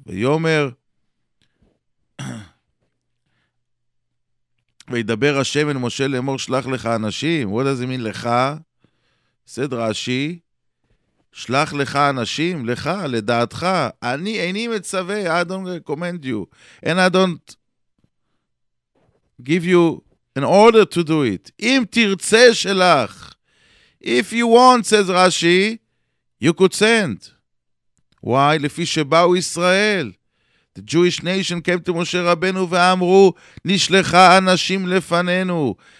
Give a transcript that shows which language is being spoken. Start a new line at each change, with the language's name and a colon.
Hebrew: Vayomer, וידבר השם אל משה לאמור שלח לך אנשים.
English: What does it mean,
Hebrew: לך? סד רעשי, שלח לך אנשים, לך, לדעתך. אני איני מצווה,
English: I don't recommend you. And I don't give you in order to do it.
Hebrew: אם תרצה שלח.
English: If you want, says Rashi, you could send. Why?
Hebrew: לפי שבאו ישראל.
English: The Jewish nation came to Moshe Rabbeinu
Hebrew: ואמרו, נשלחה אנשים לפנינו.